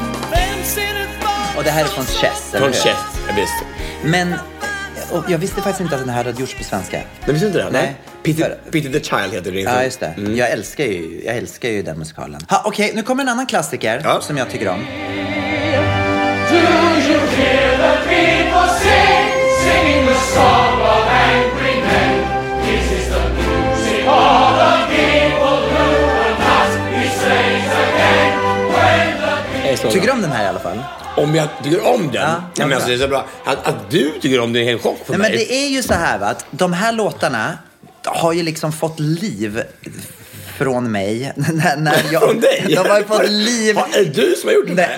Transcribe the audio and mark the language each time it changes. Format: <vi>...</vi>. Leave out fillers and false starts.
<sv>Vem ser ett barn? Och det här är från Chess. Från Chess, visst. Men och jag visste faktiskt inte att den här hade gjorts på svenska. Men visste inte det? Nej. Pity the Child heter det. Ja, just det. Mm. Jag älskar ju den musikalen. Ha, okej, okay, nu kommer en annan klassiker som jag tycker om.</sv> <en>Do you hear the people sing, singing the song of angry men? This is the music of the people who at last be slaves again. When the people...</en> <sv>Tycker du om den här i alla fall? Om jag tycker om den, ja, men alltså det är så bra. Att du tycker om den är helt chock för mig. Men det är ju så här va, att de här låtarna har ju liksom fått liv från mig. Från dig? De har ju fått liv. Är du som har gjort det?</sv>